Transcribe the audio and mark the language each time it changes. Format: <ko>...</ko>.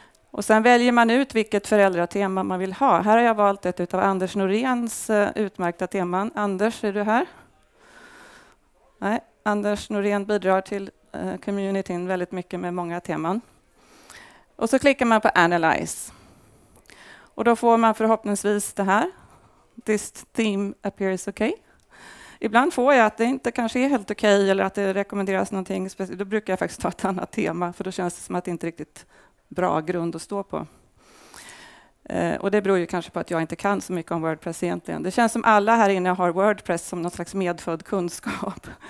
<sv>Och sen väljer man ut vilket föräldratema man vill ha. Här har jag valt ett utav Anders Noréns utmärkta teman. Anders, är du här? Nej, Anders Norén bidrar till communityn väldigt mycket med många teman. Och så klickar man på Analyze. Och då får man förhoppningsvis det här.</sv> <en>This theme appears okay.</en> <sv>Ibland får jag att det inte kanske är helt okej, eller att det rekommenderas någonting speciellt. Då brukar jag faktiskt ta ett annat tema, för då känns det som att det inte är riktigt bra grund att stå på. Och det beror ju kanske på att jag inte kan så mycket om WordPress egentligen. Det känns som alla här inne har WordPress som någon slags medfödd kunskap.</sv>